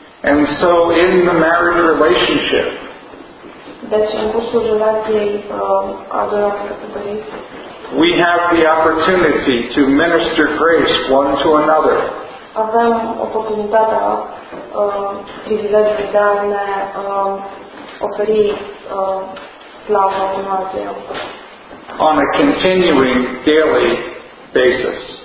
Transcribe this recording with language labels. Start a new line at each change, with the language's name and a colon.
English: And so in the marriage relationship,
Romanian: deci, în cursul relației adunării căsătoriei,
English: we have the opportunity to minister grace one to another.
Romanian: Avem oportunitatea, privilegiul de a ne oferi slavă unul altuia.
English: On a continuing daily basis.